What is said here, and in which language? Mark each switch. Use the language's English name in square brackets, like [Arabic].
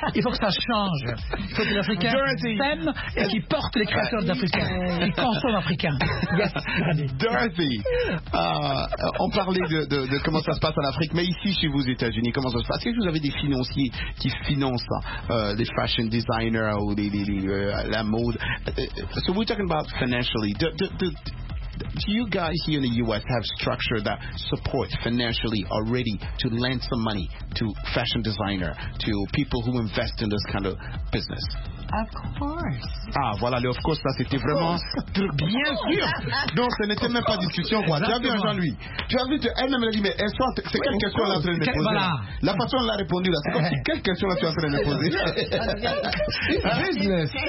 [French] Il faut que ça change. Il faut que les Africains s'aiment et qu'ils portent les créateurs d'Africains. Ils consomment Africains. [English] Yes. [French] Dorothy, on parlait de comment ça se passe en Afrique, mais ici, chez vous, aux États-Unis, comment ça se passe? Si vous avez des financiers qui financent les fashion designers ou la mode. [English] So we're talking about financially. Do you guys here in the U.S. have structure that supports financially already to lend some money to fashion designer, to people who invest in this kind of business? Of course. [French] Ah, voilà, le of course, ça c'était vraiment bien sûr. Non, ce n'était même pas discussion, quoi. Tu as vu Jean-Louis. Tu as vu, elle me l'a dit, mais est-ce que c'est quelle question elle est en train de me poser? La façon dont elle a répondu, là, c'est comme si quelle question elle est en train de me poser. [English] Business.